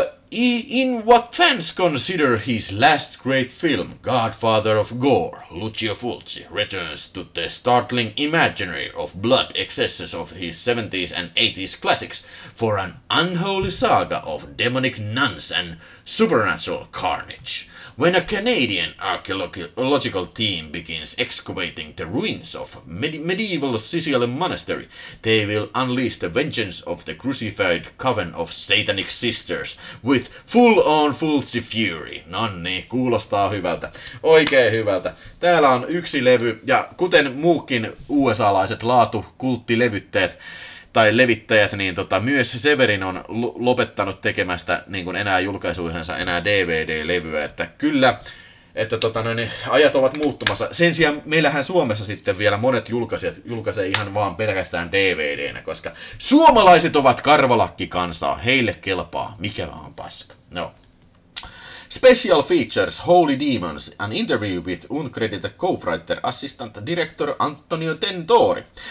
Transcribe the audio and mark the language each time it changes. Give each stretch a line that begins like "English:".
English: In what fans consider his last great film, Godfather of Gore, Lucio Fulci returns to the startling imaginary of blood excesses of his 70s and 80s classics for an unholy saga of demonic nuns and supernatural carnage. When a Canadian archaeological team begins excavating the ruins of a medieval Sicilian monastery, they will unleash the vengeance of the crucified coven of satanic sisters with full-on Fulci fury.
Finnish: Nonni, kuulostaa hyvältä. Oikein hyvältä. Täällä on yksi levy, ja kuten muukin USA-laiset laatukulttilevyttäjät, tai levittäjät, niin myös Severin on lopettanut tekemästä niin kuin enää julkaisuihinsa enää DVD-levyä, että kyllä, että ajat ovat muuttumassa. Sen sijaan meillähän Suomessa sitten vielä monet julkaisijat julkaisee ihan vaan pelkästään DVD:nä, koska suomalaiset ovat karvalakkikansaa, heille kelpaa, mikä vaan paska. No.
English: Special features, Holy Demons, an interview with uncredited co-writer, assistant director Antonio Tentori.